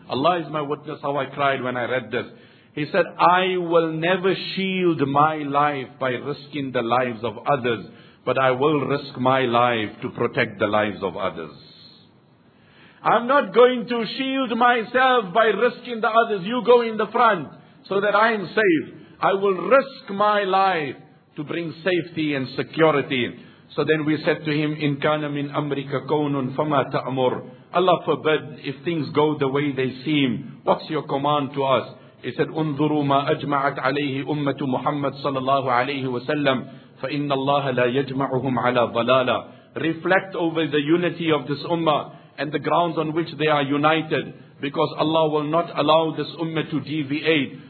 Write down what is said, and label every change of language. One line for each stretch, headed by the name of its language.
English: Allah is my witness how I cried when I read this. He said, I will never shield my life by risking the lives of others, but I will risk my life to protect the lives of others. I'm not going to shield myself by risking the others. You go in the front so that I am safe. I will risk my life to bring safety and security. So then we said to him,
Arabic: إِنْ كَانَ مِنْ أَمْرِكَ كَوْنٌ فَمَا تَأْمُرُ.
English: Allah forbid if things go the way they seem. What's your command to us? He said,
Arabic: أُنْظُرُوا مَا أَجْمَعَتْ عَلَيْهِ أُمَّةُ مُحَمَّدٍ صَلَى اللَّهُ عَلَيْهِ وَسَلَّمْ فَإِنَّ اللَّهَ لَا يَجْمَعُهُمْ عَلَى ضَلَالًا.
English: Reflect over the unity of this ummah and the grounds on which they are united, because Allah will not allow this ummah to deviate.